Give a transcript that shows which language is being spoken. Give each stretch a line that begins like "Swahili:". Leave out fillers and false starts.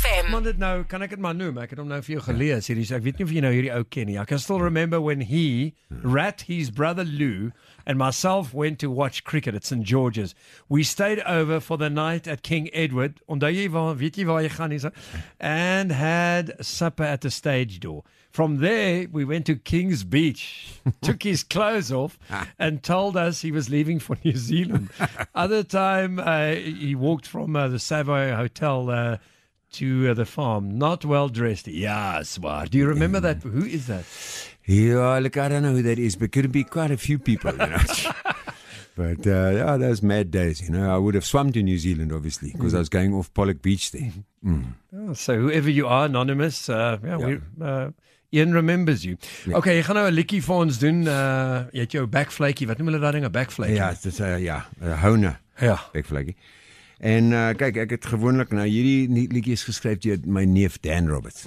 Afrikaans: Want dit nou, kan ek dit maar noem? Ek het hom nou vir jou gelees hierdie. Ek weet nie of jy nou hierdie ou ken nie.
English: I can still remember when he, Rat, his brother Lou, and myself went to watch cricket at St. George's. We stayed over for the night at King Edward.
Afrikaans: Onthou jy waar, weet jy waar jy gaan nie?
English: And had supper at the stage door. From there, we went to King's Beach, took his clothes off, and told us he was leaving for New Zealand. Other time, he walked from the Savoy Hotel to the farm, not well dressed. Yes, well, do you remember that? Who is that? Yeah, look, I don't know who that is, but could it be quite a few people, you know? But yeah, those mad days, you know. I would have swum to New Zealand, obviously, because I was going off Pollock Beach then. Mm. Oh, so whoever you are, anonymous, Ian remembers you. Yeah.
Afrikaans: Okay, jy gaan nou 'n likkie vir ons doen. Jy het jou backflakey. Wat noem hulle daai ding? 'N backflakey. Ja, dit is 'n honer. Ja. Backflakey. En kyk, ek het gewoonlik nou hierdie nuut liedjie geskryf deur my neef Dan Roberts.